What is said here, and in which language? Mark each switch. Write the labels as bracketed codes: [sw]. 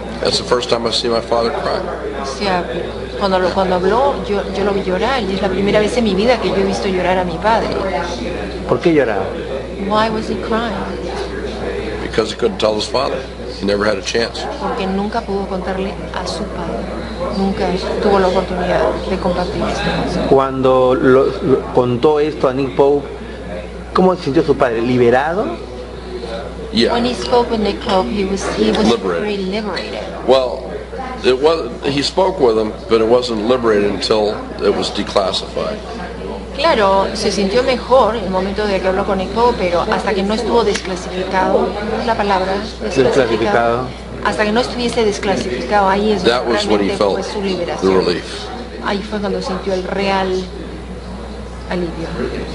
[en] That's the first time I see my father cry. [es] Cuando habló, yo lo vi llorar. Y es la primera vez en mi vida que yo he visto llorar a mi padre. ¿Por qué lloraba? [en] Why was he crying? Because he couldn't tell his father. He never had a chance. [es] Porque nunca pudo contarle a su padre. Nunca tuvo la oportunidad de compartir esto. Cuando lo contó esto a Nick Pope, ¿cómo se sintió su padre? ¿Liberado? [en] Yeah. When he spoke with Nick Pope, he was liberated. Very liberated. Well, it was, he spoke with him, but it wasn't liberated until it was declassified. [es] Claro, se sintió mejor el momento de que habló con Nick Pope, pero hasta que no estuvo desclasificado, ¿es la palabra? Desclasificado. Hasta que no estuviese desclasificado, ahí es [en] that was what he felt, [es] fue su liberación. [en] The relief. [es] Ahí fue cuando sintió el real alivio.